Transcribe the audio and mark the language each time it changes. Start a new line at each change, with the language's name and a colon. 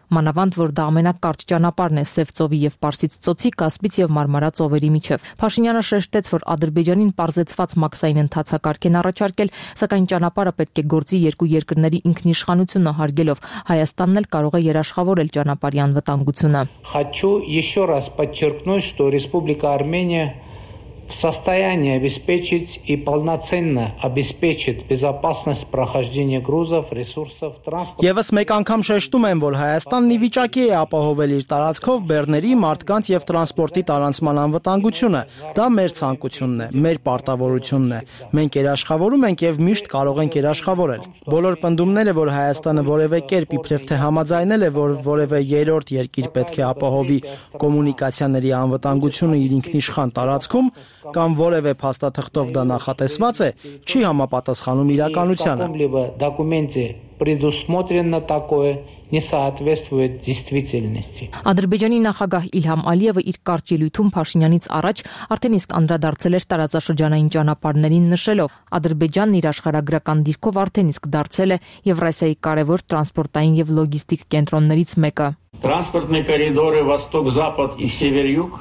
Armenian: մանավանդ որ դա ամենակարճ ճանապարհն է Սև ծովի և Պարսից ծոցի, Կասպից և Մարմարա ծովերի միջև։ Փաշինյանը շեշտեց, որ Ադրբեջանին պարզեցված մաքսային ընթացակարգ են առաջարկել, սակայն ճանապարհը պետք է գործի երկու երկրների ինքնիշխանությունը հարգելով, Հայաստանն էլ կարող է երաշխավորել ճանապարհի անվտանգությունը։
Russian: Хочу ещё раз подчеркнуть, что Республика Армения в состоянии обеспечить и полноценно обеспечить безопасность прохождения грузов, ресурсов, транспорта.
Armenian: Եվս մեկ անգամ շեշտում եմ, որ Հայաստանն ի վիճակի է ապահովել իր տարածքով բեռների, մարդկանց եւ տրանսպորտի տարածման անվտանգությունը։ Դա մեր ցանկությունն է, մեր պարտավորությունն է։ Մենք երաշխավորում ենք եւ միշտ կարող ենք երաշխավորել։ Բոլոր պնդումները, որ Հայաստանը որևէ կերպ իբրև թե համաձայնել է, որ որևէ երրորդ երկիր պետք է ապահովի կոմունիկացիաների անվտանգությունը իր ինքնիշխան տարածքում, կամ որևէ փաստաթղթով դա նախատեսված է, չի համապատասխանում իրականությանը։
Russian: Предусмотрено такое, не соответствует действительности.
Armenian: Ադրբեջանի նախագահ Իլհամ Ալիևը իր կարճ ելույթում Փաշինյանից առաջ արդեն իսկ անդրադարձել էր տարածաշրջանային ճանապարհներին նշելով. Ադրբեջանն իր աշխարհագրական դիրքով արդեն իսկ դարձել է Եվրասիայի կարևոր տրանսպորտային և լոգիստիկ կենտրոններից մեկը.
Russian: Transportne koridory Vostok-Zapad i Sever-Yug.